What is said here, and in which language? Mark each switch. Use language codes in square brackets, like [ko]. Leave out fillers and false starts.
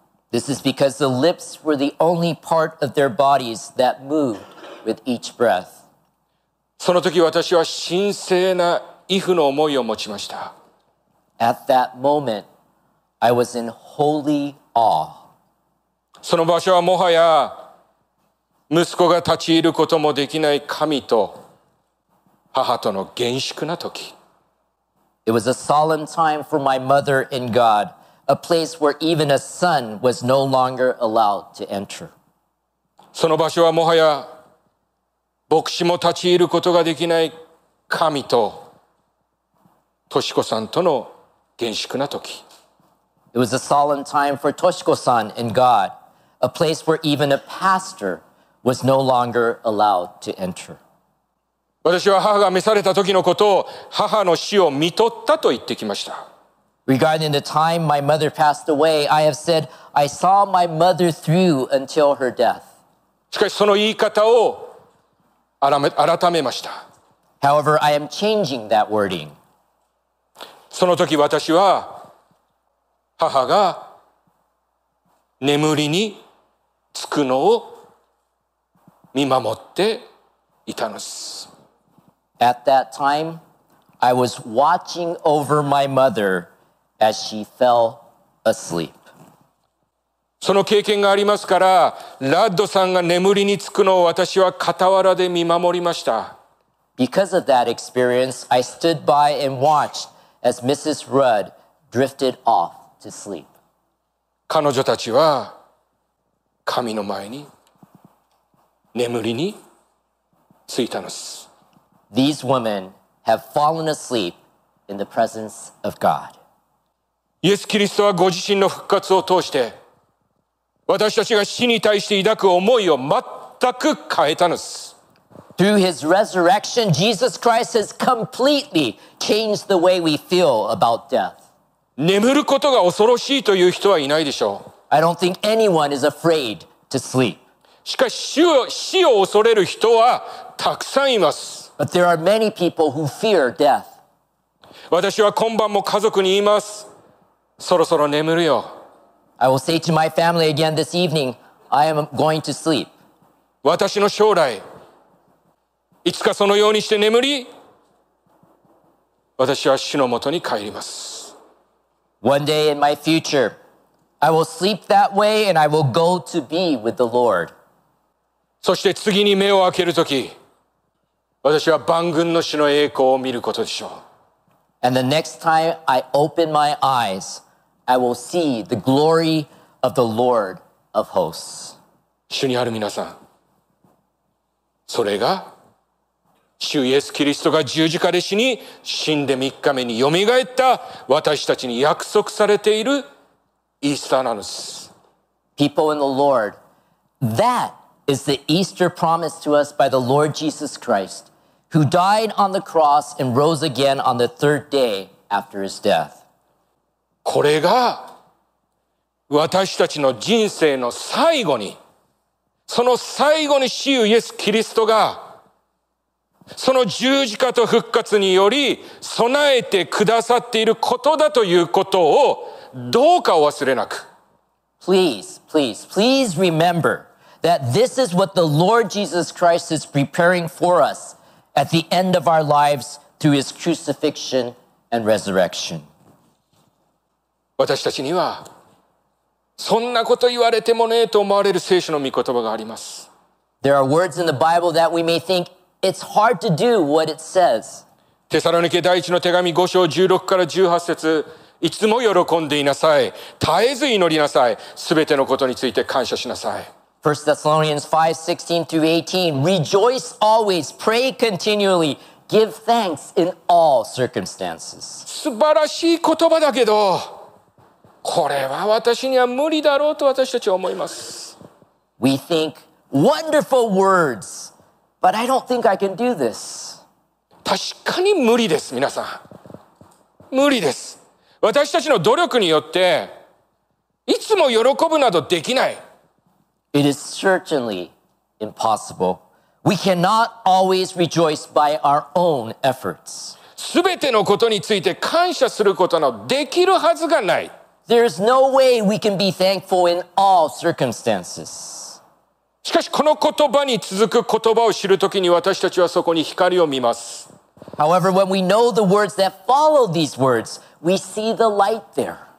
[en] This is because the lips were the only part of their bodies that moved with each breath. [ja] その時私は神聖な畏怖の思いを持ちました。 [en] At that moment, I was in holy awe. [ja] その場所はもはや息子が立ち入ることもできない神と母との厳粛な時。 [en] It was a solemn time for my mother and God, a place where even a son was no longer allowed to enter. [ja] その場所はもはや牧師も立ち入ることができない神と敏子さんとの厳粛な時。 [en] It was a solemn time for Toshiko-san and God. A place where even a pastor was no longer allowed to enter. [ja] 私は母が召された時のことを母の死を見取ったと言ってきました。 [en] Regarding the time my mother passed away, I have said, I saw my mother through until her death. [ja] しかしその言い方を改めました。 [en] However, I am changing that wording. [ja] その時私は母が眠りにつくのを見守っていたのです。 [en] At that time, I was watching over my mother as she fell asleep. [ja] その経験がありますから、ラッドさんが眠りにつくのを私は傍らで見守りました。 [en] Because of that experience, I stood by and watched as Mrs. Rudd drifted off to sleep. [ja] 彼女たちは神の前に眠りについたのです。 [en] These women have fallen asleep in the presence of God. [ja] イエス・キリストはご自身の復活を通して私たちが死に対して抱く思いを全く変えたのです。 [en] Through his resurrection, Jesus Christ has completely changed the way we feel about death. [ja] 眠ることが恐ろしいという人はいないでしょう。 [en] I don't think anyone is afraid to sleep. [ja] しかし死を恐れる人はたくさんいます。 [en] But there are many people who fear death. [ja] 私は今晩も家族に言います。そろそろ眠るよ。 [en] I will say to my family again this evening, I am going to sleep. [ja] 私の将来、いつかそのようにして眠り、私は主のもとに帰ります。 [en] One day in my future, I will sleep that way and I will go to be with the Lord. [ja] そして次に目を開けるとき、私は万軍の主の栄光を見ることでしょう。 [en] And the next time I open my eyes, I will see the glory of the Lord of hosts. [ja] 主にある皆さん、それが主イエス・キリストが十字架で死に、死んで三日目によみがえった私たちに約束されているイースターなのです。 [en] People in the Lord, that is the Easter promise to us by the Lord Jesus Christ, who died on the cross and rose again on the third day after his death. [ja] これが私たちの人生の最後に、その最後に主イエス・キリストがその十字架と復活により備えてくださっていることだということをどうかお忘れなく。 [en] Please, please, please remember that this is what the Lord Jesus Christ is preparing for us at the end of our lives through his crucifixion and resurrection. [ja] 私たちにはそんなこと言われてもねえと思われる聖書の御言葉があります。 [en] There are words in the Bible that we may think,It's hard to do what it says. [ja] テサロニケ第一の手紙5章16から18節、いつも喜んでいなさい、絶えず祈りなさい、すべてのことについて感謝しなさい。 [en] 1 Thessalonians 5:16-18, Rejoice always, pray continually, give thanks in all circumstances. [ja] 素晴らしい言葉だけど、これは私には無理だろうと私たちは思います。 [en] We think wonderful words. But I don't think I can do this. [ja] 確かに無理です、皆さん。無理です。私たちの努力によって、いつも喜ぶなどできない。 [en] It is certainly impossible. We cannot always rejoice by our own efforts. [ja] 全てのことについて感謝することのできるはずがない。 [en] There is no way we can be thankful in all circumstances. [ja] しかしこの言葉に続く言葉を知るときに私たちはそこに光を見ます。 [en] However, when we know the words that follow these words, we see the light there.